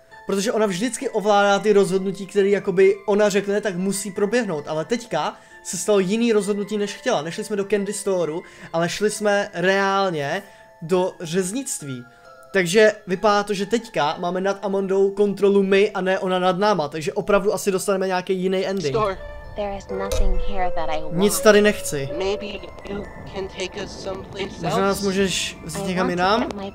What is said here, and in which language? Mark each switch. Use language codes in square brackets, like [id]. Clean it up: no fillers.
[cs] Protože ona vždycky ovládá ty rozhodnutí, které jakoby ona řekne, tak musí proběhnout. Ale teďka se stalo jiný rozhodnutí, než chtěla. Nešli jsme do Candy Storeu, ale šli jsme reálně do řeznictví. Takže vypadá to, že teďka máme nad Amandou kontrolu my a ne ona nad náma. Takže opravdu asi dostaneme nějaký jiný ending. [en] Store. There is nothing here that I want. [cs] Nic tady nechci. [en] Maybe you can take us someplace else. [cs] Možná nás můžeš vzít někam jinam?